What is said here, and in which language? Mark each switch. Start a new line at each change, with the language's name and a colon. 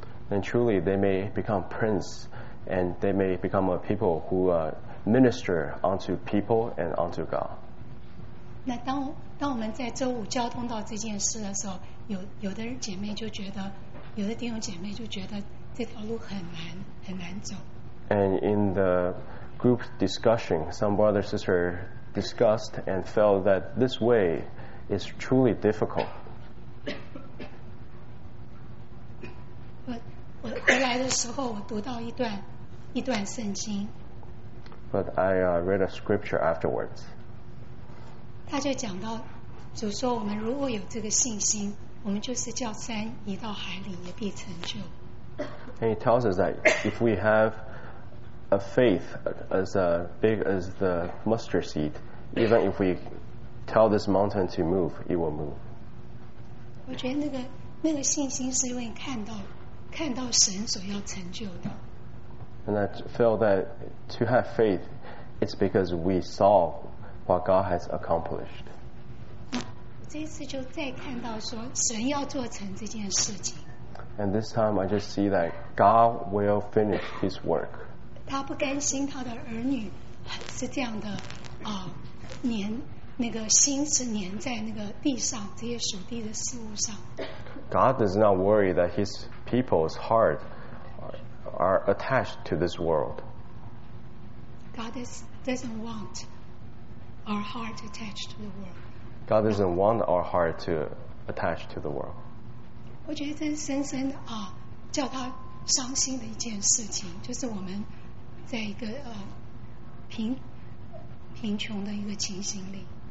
English: And truly, they may become prince, and they may become a people who minister unto people and unto God.
Chinese: 那当我们在周五交通到这件事的时候，有的弟兄姐妹就觉得这条路很难走。
English: And in the group discussion, some brother sister discussed and felt that this way is truly difficult.
Chinese: 我回来的时候，我读到一段圣经。
English: But I read a scripture afterwards.
Chinese: 他就讲到，主说我们如果有这个信心，我们就是叫山移到海里，也必成就。
English: And he tells us that if we have a faith as big as the mustard seed, even if we tell this mountain to move, it will move.
Chinese: 我觉得那个信心是因为看到神所要成就的。
English: And I feel that to have faith, it's because we saw what God has accomplished.
Chinese: 这次就再看到说神要做成这件事情。
English: And this time I just see that God will finish His work.
Chinese: 他不甘心他的儿女是这样的黏那个心是黏在那个地上这些属地的事物上。
English: God does not worry that His people's heart are attached to this world. God doesn't want our heart attached to the world. God doesn't want our heart to attach to the world.
Chinese: 我觉得这是深深的叫他伤心的一件事情，就是我们在一个贫穷的一个情形里。